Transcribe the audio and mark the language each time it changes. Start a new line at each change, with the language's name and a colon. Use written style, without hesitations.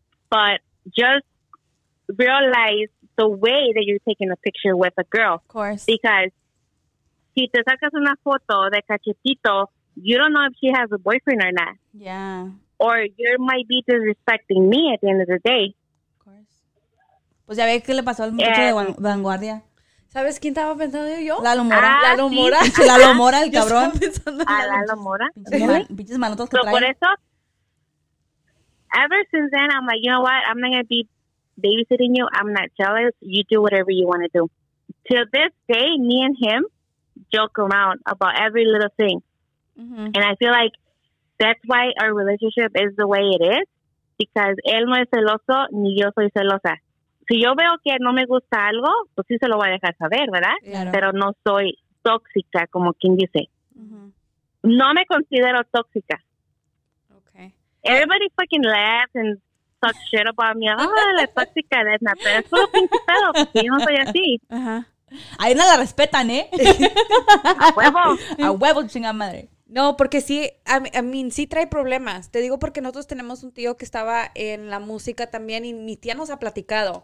English: But just realize the way that you're taking a picture with a girl. Of course. Because
Spanish: si te sacas una foto de cachetito,
English: you don't know if she has a boyfriend or not. Yeah. Or you might be disrespecting me at the end of the day. Of course.
Spanish: Pues ya ve que le pasó al muchacho de Vanguardia. ¿Sabes quién estaba pensando yo? Lalo Mora. Ah, Lalo sí, Mora. Sí, sí. Lalo Mora, el cabrón. ¿A Lalo Mora? Pinches manotas que trae. Por eso,
English: ever since then, I'm like, you know what? I'm not going to be babysitting you. I'm not jealous. You do whatever you want to do. Till this day, me and him joke around about every little thing. Mm-hmm. And I feel like that's why our relationship is the way it is.
Spanish: Because él no es celoso, ni yo soy celosa. Si yo veo que no me gusta algo, pues sí se lo voy a dejar saber, ¿verdad? Claro. Pero no soy tóxica, como quien dice. Uh-huh. No me considero tóxica.
English: Okay. Everybody fucking laughs and talks shit about me.
Spanish: Ah, oh, la tóxica de Edna, pero es todo pinche pedo, porque yo no soy así. Uh-huh. A Edna la respetan, ¿eh? A huevo. A huevo, chinga madre. No, porque sí,
English: I mean,
Spanish: sí trae problemas. Te digo porque nosotros tenemos un tío que estaba en la música también y mi tía nos ha platicado.